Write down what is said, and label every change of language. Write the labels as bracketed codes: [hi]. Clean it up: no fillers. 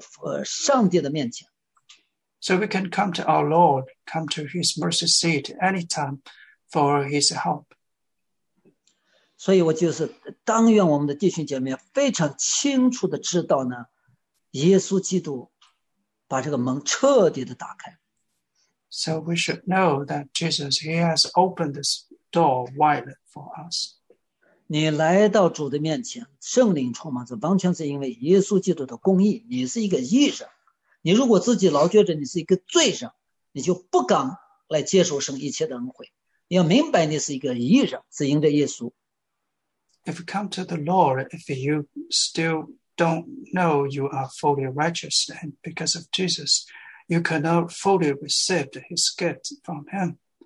[zh] 所以圣经里面讲的，我们随时可要可以来到主神的宝座前面前，得恩惠，得怜悯，得随时的帮助，就是我们可以进到主的面前，上帝的面前。 [en] So we can come to our Lord, come to His mercy seat anytime for His help. [zh] 所以我就是，但愿我们的弟兄姐妹非常清楚的知道呢，耶稣基督把这个门彻底的打开。 [en] So we should know that Jesus, He has opened this door wide for us. [zh] 你来到主的面前，圣灵充满着，完全是因为耶稣基督的公义。你是一个义人，你如果自己老觉着你是一个罪人，你就不敢来接受神一切的恩惠。你要明白，你是一个义人，是因着耶稣。 [en] If you come to the Lord, if you still don't know you are fully righteous and because of Jesus, you cannot fully receive his gift from him.